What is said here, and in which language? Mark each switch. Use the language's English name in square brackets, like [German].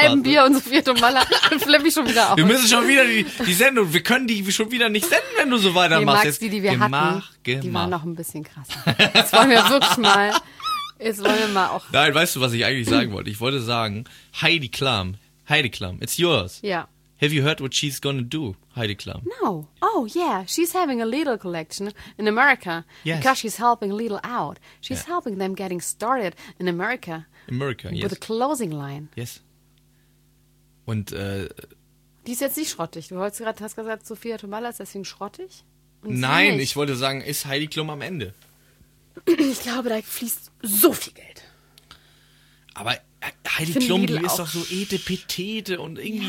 [German] Beim halben Bier und Sophia Tomalla flipp ich schon wieder auf. Wir müssen schon wieder die Sendung... Wir können die schon wieder nicht senden, wenn du so weitermachst. Nee, Max, die wir gemacht. Hatten. Die waren noch ein bisschen krasser. Jetzt wollen wir wirklich mal. Jetzt wollen wir mal auch. Nein, weißt du, was ich eigentlich sagen wollte? Ich wollte sagen, Heidi Klum. [English] Heidi Klum, it's yours. [German] Ja. [English] Have you heard what she's gonna do, Heidi Klum? No. Oh, yeah. She's having a Lidl collection in America. Yes. Because she's helping Lidl out. She's helping them getting started in America. America, with yes. With a clothing line. Yes. Und, [German] Die ist jetzt nicht schrottig. Du hast gerade gesagt, Sophia Tomalla ist deswegen schrottig. Nein, ich wollte sagen, ist Heidi Klum am Ende? Ich glaube, da fließt so viel Geld. Aber Heidi Klum, die ist doch so etepetete und irgendwie...